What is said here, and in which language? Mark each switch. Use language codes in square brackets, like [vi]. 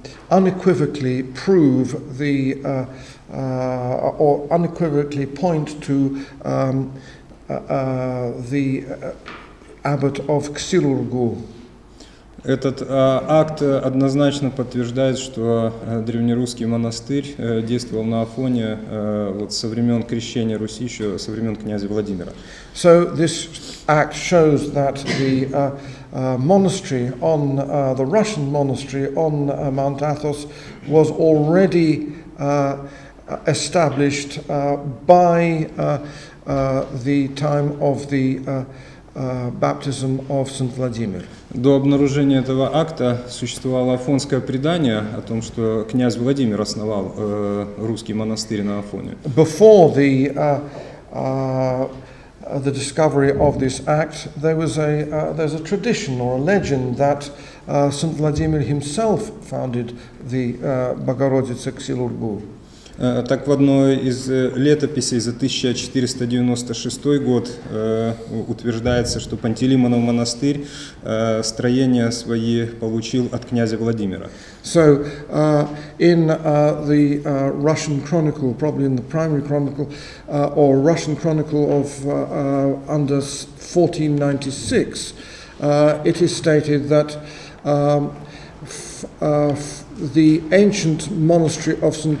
[en] unequivocally prove the or unequivocally point to the abbot of Ksiurgu. [ru] Этот акт однозначно подтверждает, что древнерусский монастырь действовал на Афоне вот со времен крещения Руси, еще со времен князя Владимира. [en] So this act shows that the monastery on the Russian monastery on Mount Athos was already established by the time of the baptism of Saint Vladimir. [ru] До обнаружения этого акта существовало афонское предание о том, что князь Владимир основал русский монастырь на Афоне. [en] Before the discovery of this act, there was there's a tradition or a legend that Saint Vladimir himself founded the Богородица Ксиургу. [ru] Так в одной из летописей за 1496 год утверждается, что Пантелеимонов монастырь строение свои получил от князя Владимира. [en] So in the Russian chronicle, probably in the primary chronicle or Russian chronicle of under 1496, it is stated that the ancient monastery of St.